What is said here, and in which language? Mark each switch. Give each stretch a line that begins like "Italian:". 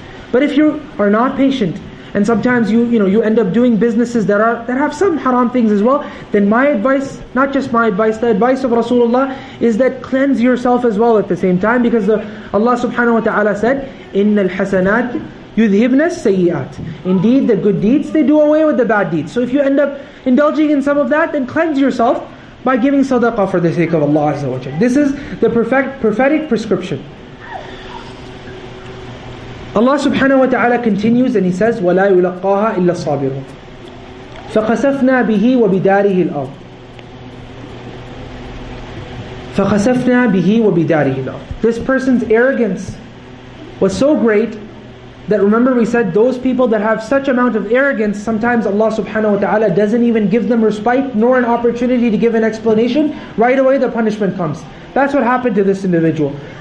English: But if you are not patient, and sometimes you end up doing businesses that have some haram things as well, then my advice, not just my advice, the advice of Rasulullah is that cleanse yourself as well at the same time, because Allah subhanahu wa ta'ala said,
Arabic: إِنَّ الْحَسَنَاتِ يُذْهِبْنَ السَّيِّئَاتِ.
English: Indeed, the good deeds, they do away with the bad deeds. So if you end up indulging in some of that, then cleanse yourself by giving sadaqah for the sake of Allah Azza wa Jalla. This is the prophetic prescription. Allah subhanahu wa ta'ala continues and he says,
Arabic: وَلَا يُلَقَّاهَا إِلَّا الصَّابِرُونَ فَخَسَفْنَا بِهِ وَبِدَارِهِ الْأَرْضِ فَخَسَفْنَا بِهِ وَبِدَارِهِ الْأَرْضِ.
English: This person's arrogance was so great that, remember we said, those people that have such amount of arrogance, sometimes Allah subhanahu wa ta'ala doesn't even give them respite nor an opportunity to give an explanation. Right away the punishment comes. That's what happened to this individual.